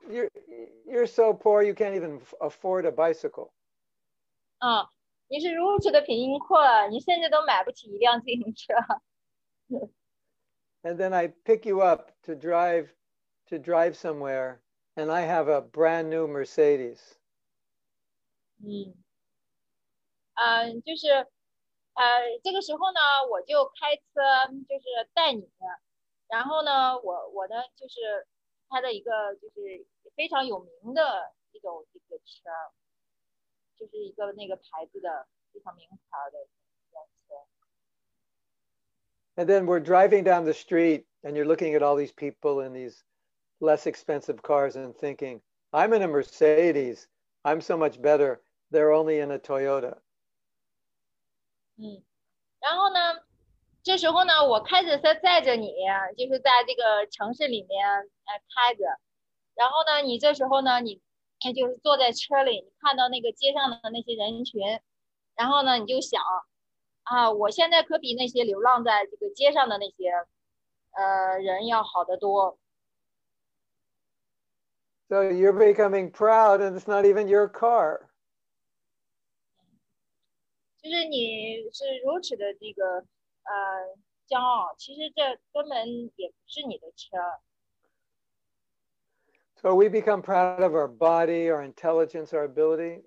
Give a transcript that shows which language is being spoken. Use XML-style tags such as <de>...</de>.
<en>，You're so poor you can't even afford a bicycle.</en> <zh>你是如此的贫困，你甚至都买不起一辆自行车。</zh> <en>And then I pick you up to drive somewhere, and I have a brand new Mercedes.</en> <zh>嗯，就是，这个时候呢，我就开车，就是带你，然后呢，我呢，就是开了一个就是非常有名的一种一个车，就是一个那个牌子的非常名牌的。</zh> <en>And then we're driving down the street and you're looking at all these people in these less expensive cars and thinking, I'm in a Mercedes. I'm so much better. They're only in a Toyota.</en> <zh>嗯，然后呢，这时候呢，我开着车载着你，就是在这个城市里面开着。然后呢，你这时候呢，你就是坐在车里，你看到那个街上的那些人群，然后呢，你就想。啊，我现在可比那些流浪在这个街上的那些，人要好得多。</zh> <en>So you're becoming proud, and it's not even your car.</en> <zh>就是你是如此的这个骄傲，其实这根本也不是你的车。</zh> <en>So we become proud of our body, our intelligence, our ability.</en>